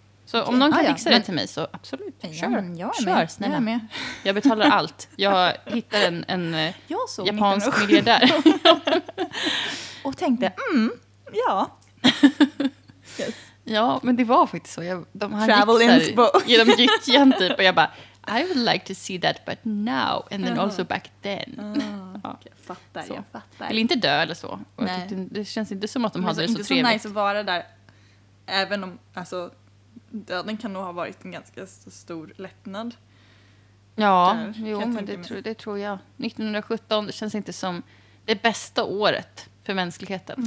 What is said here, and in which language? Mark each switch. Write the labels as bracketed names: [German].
[Swedish] Så okay. Om någon kan fixa det till mig så absolut. Kör, snälla. Jag är med. Jag betalar allt. Jag hittar en japansk miljardär där. Och tänkte, ja. [English] Yes. [Swedish] Ja, men det var faktiskt så. De här [English] travel inspo. [Swedish] Genom gyttjan typ. Och jag bara, [English] I would like to see that, but now. And then also back then. [Swedish] Okay, jag fattar. Eller inte dö eller så. Tyckte, det känns inte som att de hade det så trevligt. Det är inte så nice att vara där. Även om, alltså... Döden kan nog ha varit en ganska stor lättnad. Ja, det tror jag. 1917 känns inte som det bästa året för mänskligheten.